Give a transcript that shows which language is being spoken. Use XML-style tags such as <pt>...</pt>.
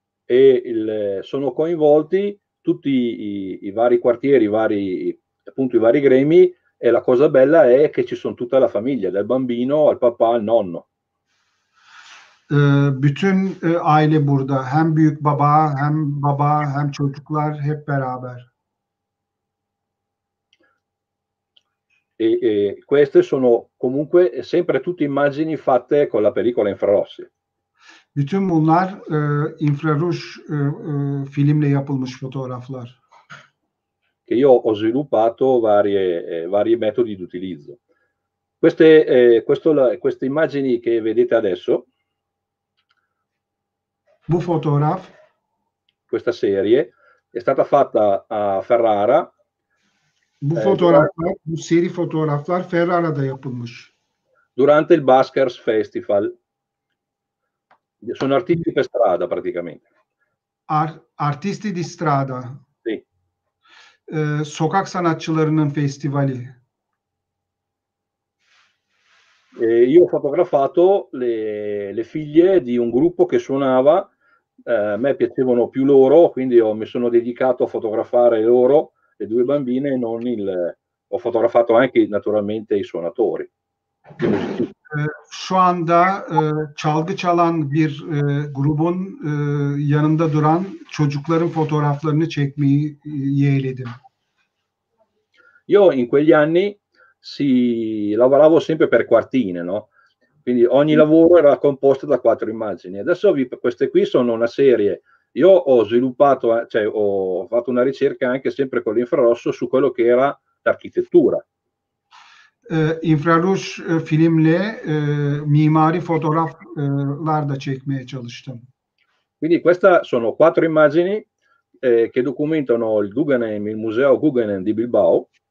<it>E sono coinvolti tutti i vari quartieri, appunto i vari gremi, e la cosa bella è che ci sono tutta la famiglia, dal bambino al papà al nonno.</it> <tr>Bütün aile burada, hem büyük baba, hem baba, hem çocuklar, hep beraber.</tr> <it>E queste sono comunque sempre tutte immagini fatte con la pellicola infrarossi.</it> <tr>Bütün bunlar infraruj filmle yapılmış fotoğraflar.</tr> <it>Che io ho sviluppato vari metodi di utilizzo. Queste queste immagini che vedete adesso.</it> <tr>Bu fotoğraf,</tr> <it>questa serie è stata fatta a Ferrara.</it> <tr>Bu fotoğraflar, bu seri fotoğraflar Ferrara'da yapılmış.</tr> <it>Durante il Baskers Festival. Sono artisti per strada praticamente. Artisti di strada. Sì.</it> <tr>Sokak sanatçılarının festivali.</tr> <it>Io ho fotografato le figlie di un gruppo che suonava. A me piacevano più loro, quindi mi sono dedicato a fotografare loro, le due bambine, non il. Ho fotografato anche naturalmente i suonatori.</it> <tr>Şu anda çalgı çalan bir grubun yanında duran çocukların fotoğraflarını çekmeyi yeğledim.</tr> <it>Io in quegli anni si lavoravo sempre per quartine, no? Quindi ogni lavoro era composto da quattro immagini. Adesso queste qui sono una serie. Io ho sviluppato, cioè ho fatto una ricerca anche sempre con l'infrarosso su quello che era l'architettura.</it> <tr>Infraruj filmle mimari fotoğraflar da çekmeye çalıştım.</tr> <it>Quindi queste sono quattro immagini che documentano il Guggenheim, il Museo Guggenheim di Bilbao.</it>